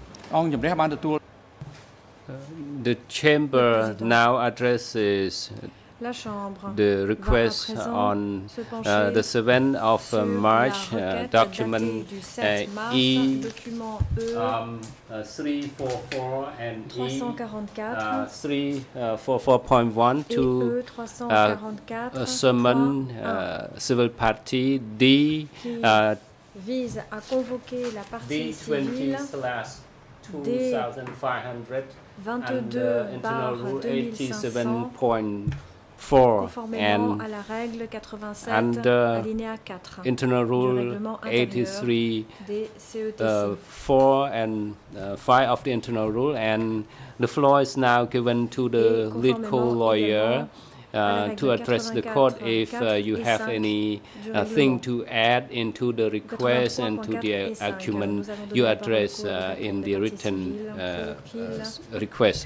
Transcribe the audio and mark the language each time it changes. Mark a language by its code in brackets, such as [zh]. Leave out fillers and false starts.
[en] President, the chamber now addresses the request on the 7th of March, document E344 and E344.1 to summon civil party D. [fr] Vise à convoquer la partie civile D22/2500 conformément à la règle 87 alinéa 4 du règlement intérieur des CETC [en] 4 and 5 of the internal rule, and the floor is now given to the lead co-lawyer to address the court if you have any thing to add into the request and to the argument you address in the written request.